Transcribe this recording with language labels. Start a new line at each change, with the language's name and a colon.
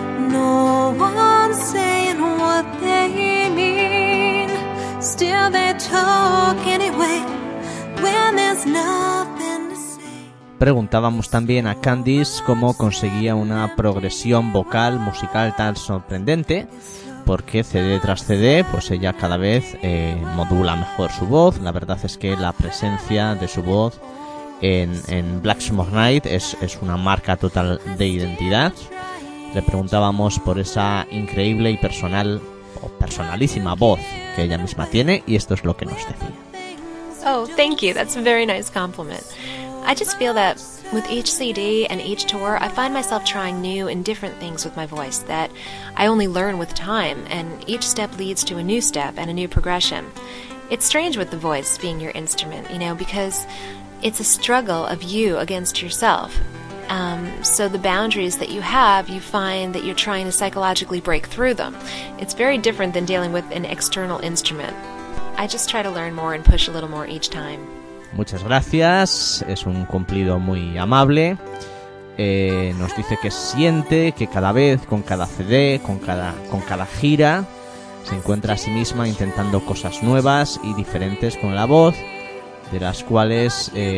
English: No one saying what they mean. Still they talk anyway when there's nothing to say.
Spanish: Preguntábamos también a Candice cómo conseguía una progresión vocal musical tan sorprendente, porque CD tras CD, pues ella cada vez modula mejor su voz. La verdad es que la presencia de su voz en Black Summer Night es una marca total de identidad. Le preguntábamos por esa increíble y personal o personalísima voz que ella misma tiene, y esto es lo que nos decía.
English: Oh, thank you. That's a very nice compliment. I just feel that with each CD and each tour, I find myself trying new and different things with my voice that I only learn with time, and each step leads to a new step and a new progression. It's strange with the voice being your instrument, you know, because it's a struggle of you against yourself. So the boundaries that you have, you find that you're trying to psychologically break through them. It's very different than dealing with an external instrument. I just try to learn more and push a little more each time.
Spanish: Muchas gracias. Es un cumplido muy amable. Nos dice que siente que cada vez, con cada CD, con cada gira, se encuentra a sí misma intentando cosas nuevas y diferentes con la voz, de las cuales...